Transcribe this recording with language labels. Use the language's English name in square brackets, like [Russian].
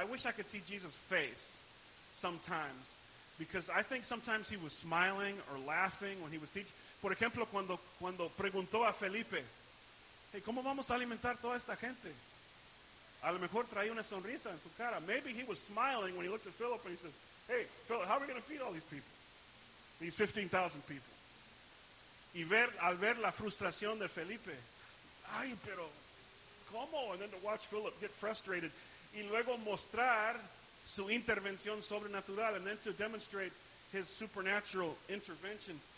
[English] I wish I could see Jesus' face sometimes, because I think sometimes he was smiling or laughing when he was teaching. [Spanish] Por ejemplo, cuando preguntó a Felipe, "Hey, ¿cómo vamos a alimentar toda esta gente?" A lo mejor traía una sonrisa en su cara. [English] Maybe he was smiling when he looked at Philip and he said, "Hey, Philip, how are we going to feed all these people? These 15,000 people." [Spanish] Y al ver la frustración de Felipe, "Ay, pero... ¿cómo?" [English] And then to watch Philip get frustrated. [Spanish] Y luego mostrar su intervención sobrenatural. [English] And then to demonstrate his supernatural intervention.